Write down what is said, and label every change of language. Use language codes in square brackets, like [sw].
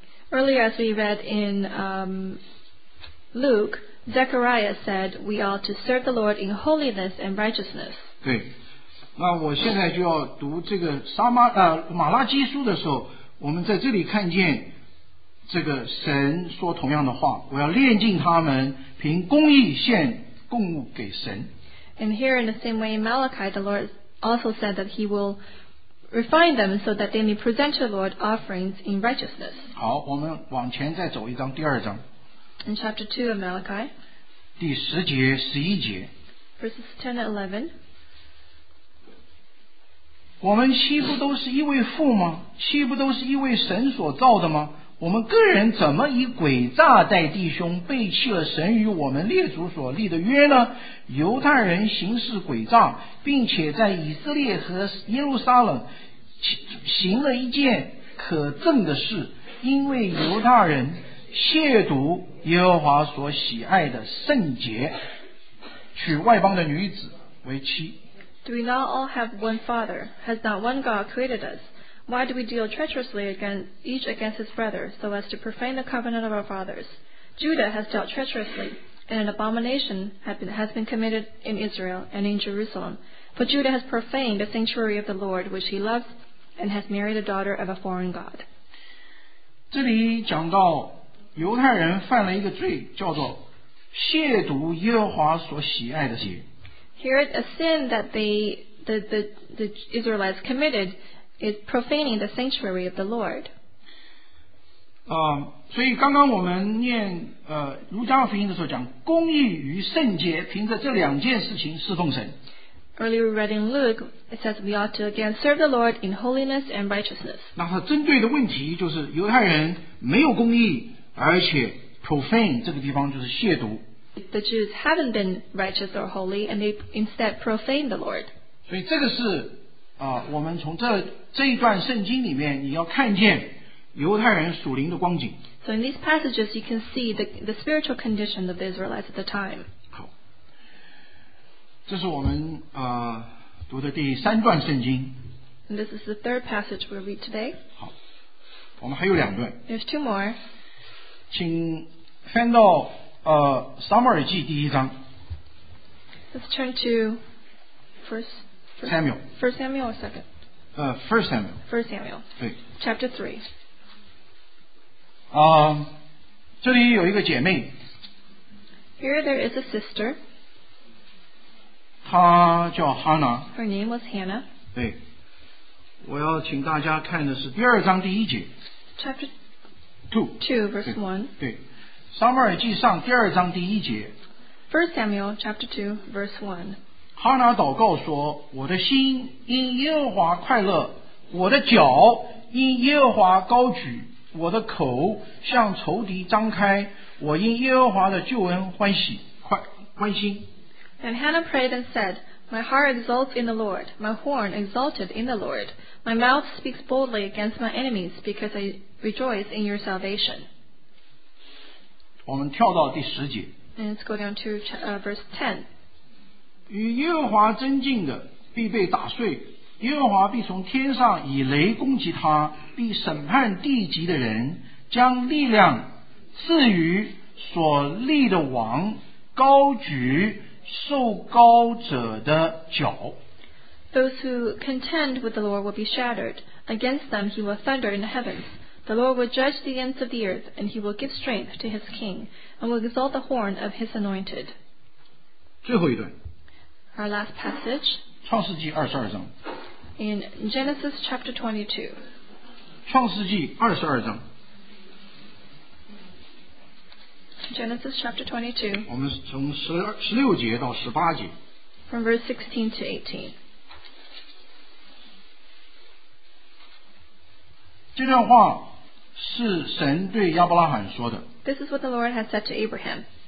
[en] Earlier, as we read in Luke, Zechariah said, we ought to serve the Lord in holiness and righteousness. [zh] 对，那我现在就要读这个马拉基书的时候，我们在这里看见这个神说同样的话，我要炼净他们，凭公义献供给神。And [en] here in the same way, Malachi, the Lord also said that he will refine them so that they may present to the Lord offerings in righteousness. [zh] 好，我们往前再走一章，第二章。 [en] In chapter 2 of Malachi, [zh] 第十节, 十一节, [en] verses 10 and 11, [zh] 我们岂不都是一位父吗?岂不都是一位神所造的吗? 我们个人怎么以诡诈待弟兄, 背弃了神与我们列祖所立的约呢? 犹太人行事诡诈, 并且在以色列和耶路撒冷 行了一件可憎的事, 因为犹太人 亵渎耶和华所喜爱的圣洁，娶外邦的女子为妻。 [en] Do we not all have one father? Has not one God created us? Why do we deal treacherously against his brother, so as to profane the covenant of our fathers? Judah has dealt treacherously, and an abomination has been committed in Israel and in Jerusalem. For Judah has profaned the sanctuary of the Lord, which he loves, and has married a daughter of a foreign god. [zh] 这里讲到。 犹太人犯了一个罪，叫做亵渎耶和华所喜爱的血。 [en] Here a sin that the Israelites committed is profaning the sanctuary of the Lord. [zh] 所以刚刚我们念路加福音的时候讲公义与圣洁凭着这两件事情侍奉神。 [en] Earlier we read in Luke, it says we ought to again serve the Lord in holiness and righteousness. [zh] 那他针对的问题就是犹太人没有公义，而且profane 这个地方就是亵渎。 [en] The Jews haven't been righteous or holy, and they instead profane the Lord. [zh] 所以这个是我们从这一段圣经里面你要看见犹太人属灵的光景。 [en] So in these passages, you can see the spiritual condition of the Israelites at the time. [zh] 好，这是我们读的第三段圣经。 [en] And this is the third passage we'll read today. [zh] 好，我们还有两段。 [en] There's two more. [zh] 请翻到撒母耳记第一章。 [en] Let's turn to First Samuel. First Samuel or second? First Samuel. First Samuel. [zh] 对。 [en] Chapter 3. [zh] 这里有一个姐妹。 [en] Here there is a sister. [zh] 她叫 Hannah. [en] Her name was Hannah. [zh] 对。我要请大家看的是第二章第一节。 [en] Chapter 2, verse 1. [zh] 对，撒母耳记上第二章第一节。 [en] First Samuel chapter 2, verse 1. [zh] 哈拿祷告说：“我的心因耶和华快乐，我的脚因耶和华高举，我的口向仇敌张开，我因耶和华的救恩欢心。” [en] And Hannah prayed and said, "My heart exults in the Lord; my horn exulted in the Lord. My mouth speaks boldly against my enemies, because I." Rejoice in your salvation. [zh] 我们跳到第十节。 [en] Let's go down to verse 10. [zh] 与耶和华争竞的必被打碎，耶和华必从天上以雷攻击他，必审判地极的人，将力量赐予所立的王，高举受高者的脚。 [en] Those who contend with the Lord will be shattered. Against them he will thunder in the heavens. The Lord will judge the ends of the earth, and he will give strength to his king, and will exalt the horn of his anointed. [zh] 最后一段。 [en] Our last passage. [zh] 创世纪二十二章。 [en] In Genesis chapter 22. [zh] 创世纪二十二章。 [en] Genesis chapter 22. [zh] 我们从十六节到十八节。 [en] From verse 16 to 18. [zh] 这段话是神对亚伯拉罕说的。 [en] This is what the Lord has said to Abraham.